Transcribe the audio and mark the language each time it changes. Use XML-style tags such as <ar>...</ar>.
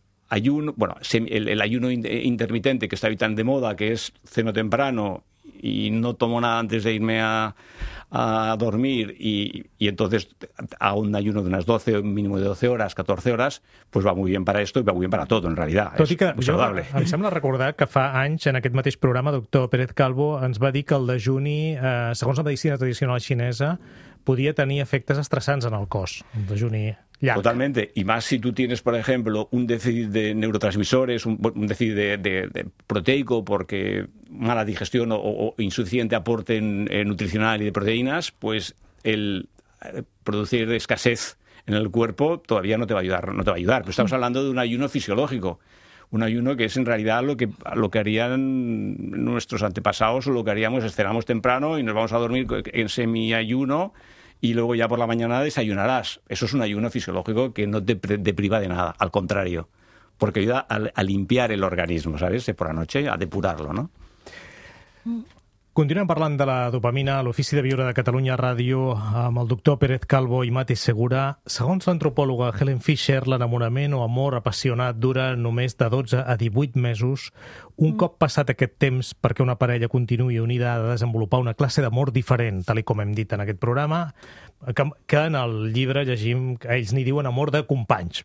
<es>Ayuno, bueno, el ayuno intermitente que está ahí tan de moda, que es ceno temprano y no tomo nada antes de irme a dormir y entonces hago un ayuno de unas 12, mínimo de 12 horas, 14 horas, pues va muy bien para esto y va muy bien para todo, en realidad.</es> <ca>Tot i que és saludable. Jo, em sembla recordar que fa anys, en aquest mateix programa, doctor Pérez Calvo ens va dir que el dejuni, segons la medicina tradicional xinesa, podia tenir efectes estressants en el cos, el dejuni. Llac.</ca> <es>Totalmente. Y más si tú tienes, por ejemplo, un déficit de neurotransmisores, un déficit de proteico porque mala digestión o insuficiente aporte en nutricional y de proteínas, pues el producir escasez en el cuerpo todavía no te va a ayudar. Pero estamos hablando de un ayuno fisiológico. Un ayuno que es en realidad lo que harían nuestros antepasados o lo que haríamos es cenamos temprano y nos vamos a dormir en semiayuno. Y luego ya por la mañana desayunarás. Eso es un ayuno fisiológico que no te depriva de nada, al contrario. Porque ayuda a limpiar el organismo, ¿sabes? Por la noche, a depurarlo, ¿no?</es> <ca>Continuem parlant de la dopamina a l'Ofici de Viure de Catalunya Ràdio amb el doctor Pérez Calvo i Mati Segura. Segons l'antropòloga Helen Fisher, l'enamorament o amor apassionat dura només de 12 a 18 mesos. Un cop passat aquest temps perquè una parella continuï unida a desenvolupar una classe d'amor diferent, tal com hem dit en aquest programa, que en el llibre llegim que ells n'hi diuen amor de companys.</ca>